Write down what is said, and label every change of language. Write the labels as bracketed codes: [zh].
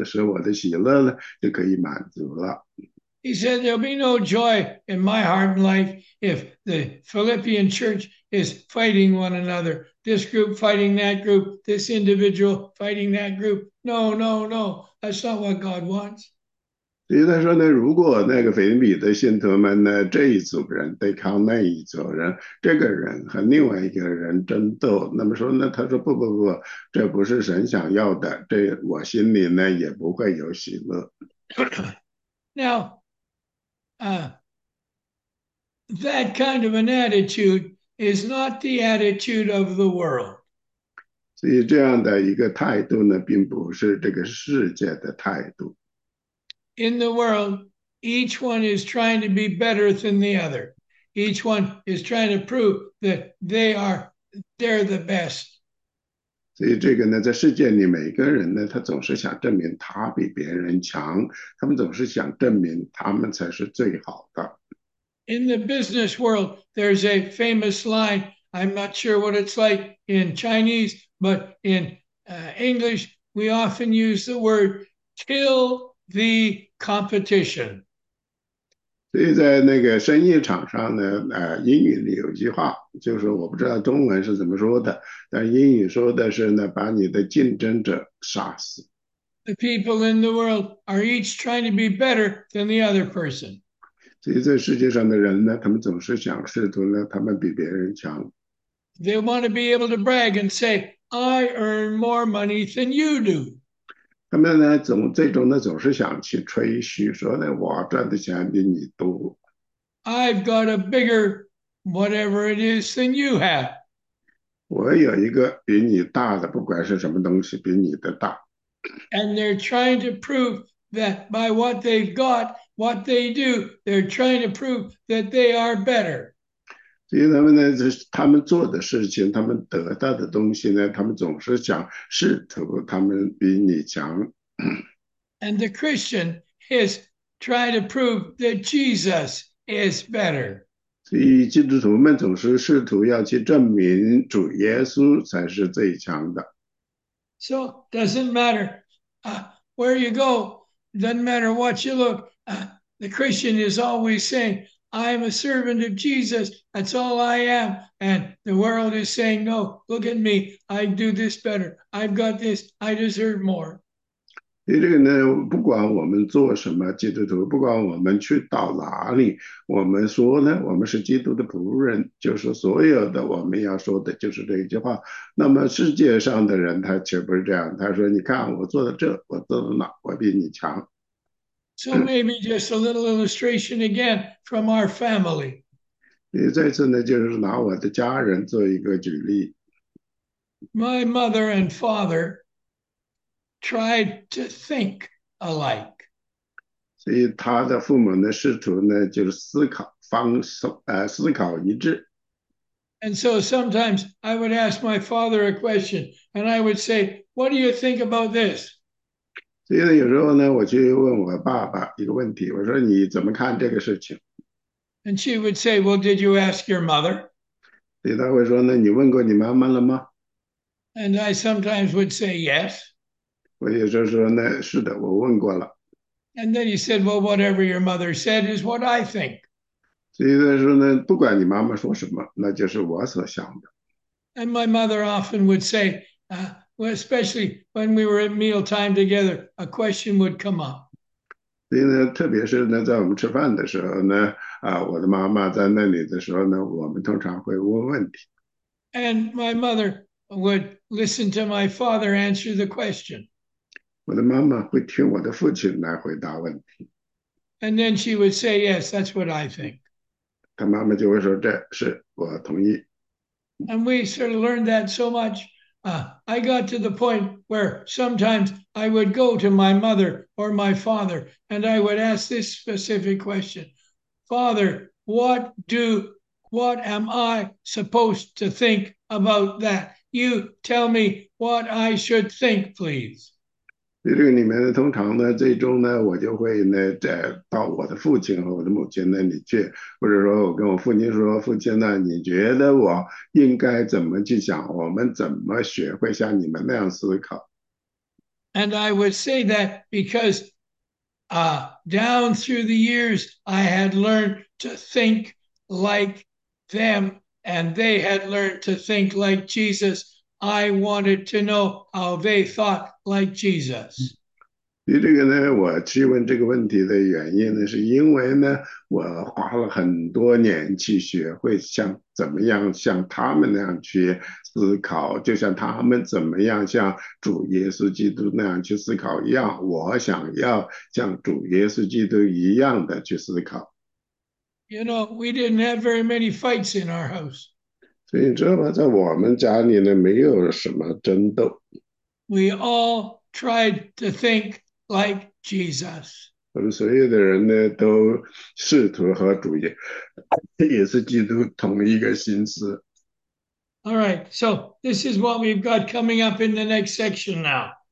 [zh] 所以这个里面他对腓立比的基督徒说呢，就像对孩子说话一样的，因为你们有一样的意念心思，使我的喜乐呢就可以满足了。 [en] He said, there'll be no joy in my heart and life if the Philippian church is fighting one another, this group fighting that group, this individual fighting that group. No, no, no. That's not what God wants. [zh] 所以他说呢，如果那个腓立比的信徒们呢，这一组人对抗那一组人，这个人和另外一个人争斗，那么说呢，他说不不不，这不是神想要的，这我心里呢也不会有喜乐。 [en] Now, That kind of an attitude is not the attitude of the world. [zh] 所以这样的一个态度呢，并不是这个世界的态度。 [en] In the world, each one is trying to be better than the other. Each one is trying to prove that they're the best. [zh] 所以这个呢，在世界里，每个人呢，他总是想证明他比别人强，他们总是想证明他们才是最好的。 [en] In the business world, there's a famous line. I'm not sure what it's like in Chinese, but in English, we often use the word kill the competition. [zh] 所以在那个生意场上呢，英语里有句话，就是我不知道中文是怎么说的，但英语说的是呢，把你的竞争者杀死。 [en] The people in the world are each trying to be better than the other person. [zh] 所以这世界上的人呢，他们总是想试图呢，他们比别人强。 [en] They want to be able to brag and say, I earn more money than you do. [zh] 他们呢，最终呢，总是想去吹嘘，说呢，我赚的钱比你多。 [en] I've got a bigger whatever it is than you have. [zh] 我有一个比你大的，不管是什么东西，比你的大。 [en] And they're trying to prove that by what they've got, what they do, they're trying to prove that they are better. [zh] 所以他们呢，就是他们做的事情，他们得到的东西呢，他们总是想试图他们比你强。 [en] And the Christian is trying to prove that Jesus is better. [zh] 所以基督徒们总是试图要去证明主耶稣才是最强的。 [en] So, doesn't matter where you go, doesn't matter what you look, the Christian is always saying, I am a servant of Jesus, that's all I am. And the world is saying, no, look at me, I do this better, I've got this, I deserve more. [zh] 所以这个呢，不管我们做什么，基督徒，不管我们去到哪里，我们说呢，我们是基督的仆人，就是所有的我们要说的就是这一句话。那么世界上的人他岂不是这样？他说：“你看我做的这，我做的那，我比你强。 [en] So maybe just a little illustration again from our family. [zh] ”你再次呢，就是拿我的家人做一个举例。 [en] My mother and father tried to think alike. [zh] 所以他的父母呢，试图呢，就是思考方式，思考一致。 [en] And so sometimes I would ask my father a question, and I would say, What do you think about this? [zh] 所以呢，有时候呢，我去问我爸爸一个问题，我说你怎么看这个事情？ [en] And she would say, Well, did you ask your mother? [zh] 所以他会说呢，你问过你妈妈了吗？ [en] And I sometimes would say, Yes. [zh] 我有时候说呢，是的，我问过了。 [en] And then he said, Well, whatever your mother said is what I think. [zh] 所以他说呢，不管你妈妈说什么，那就是我所想的。 [en] And my mother often would say, well, especially when we were at mealtime together, a question would come up. [zh] 所以呢，特别是呢，在我们吃饭的时候呢，我的妈妈在那里的时候呢，我们通常会问问题。 [en] And my mother would listen to my father answer the question. [zh] 我的妈妈会听我的父亲来回答问题。 [en] And then she would say, Yes, that's what I think. [zh] 他妈妈就会说：“这是我同意。 [en] And we sort of learned that so much. I got to the point where sometimes I would go to my mother or my father and I would ask this specific question, Father, What am I supposed to think about that? You tell me what I should think, please. [zh] ”所以这个里面呢，通常呢，最终呢，我就会呢，到我的父亲和我的母亲那里去，或者说，我跟我父亲说：“父亲呢，你觉得我应该怎么去想？我们怎么学会像你们那样思考？” [en] And I would say that because down through the years, I had learned to think like them and they had learned to think like Jesus. I wanted to know how they thought like Jesus. [zh] 所以这个呢，我去问这个问题的原因呢，是因为呢，我花了很多年去学会像怎么样像他们那样去思考，就像他们怎么样像主耶稣基督那样去思考一样，我想要像主耶稣基督一样的去思考。 [en] You know, we didn't have very many fights in our house. [zh] 所以你知道吗，在我们家里呢，没有什么争斗。 [en] We all tried to think like Jesus. [zh] 我们所有的人呢，都试图和主耶稣基督同一个心思。 [en] All right, so this is what we've got coming up in the next section now.